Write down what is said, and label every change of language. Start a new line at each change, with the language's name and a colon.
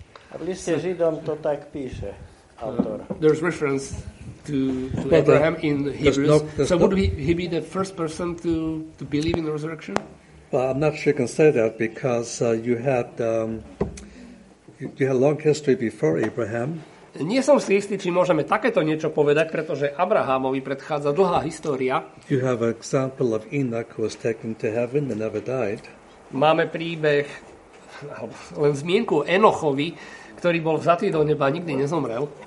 Slovak: A v liste Židom to tak píše autor.
English: There's reference to Abraham in Hebrews. Would he be the first person to believe in the resurrection? Well, I'm not sure you can say that because you had long history before Abraham.
Slovak: Nie som si istý, či môžeme takéto niečo povedať, pretože Abrahamovi predchádza dlhá história. You have an example of Enoch who was taken to heaven and never died. Máme príbeh, len zmienku Enochovi, ktorý bol vzatý do neba, nikdy nezomrel.